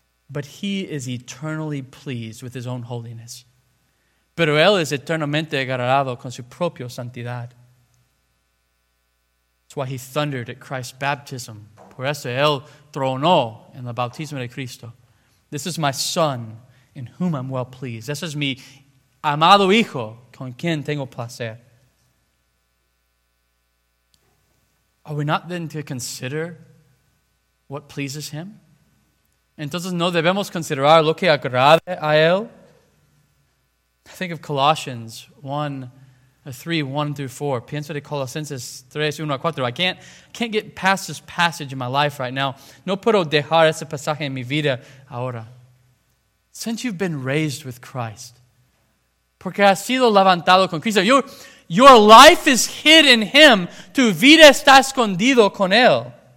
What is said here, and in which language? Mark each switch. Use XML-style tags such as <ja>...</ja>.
<en>But he is eternally pleased with his own holiness.</en> <es>Pero él es eternamente agradado con su propia santidad.</es> <en>That's why he thundered at Christ's baptism.</en> <es>Por eso él tronó en el bautismo de Cristo.</es> <en>This is my son in whom I'm well pleased. This is</en> <es>mi amado hijo con quien tengo placer.</es> <en>Are we not then to consider what pleases him?</en> <es>Entonces no debemos considerar lo que agrada a él.</es> <en>I think of Colossians 1, 3, 1 through 4.</en> <es>Pienso de Colosenses 3, 1 a 4.</es> <en>I can't get past this passage in my life right now.</en> <es>No puedo dejar ese pasaje en mi vida ahora.</es> <en>Since you've been raised with Christ,</en> <es>porque has sido levantado con Cristo,</es> <en>your life is hid in him.</en> <es>Tu vida está escondido con él.</es>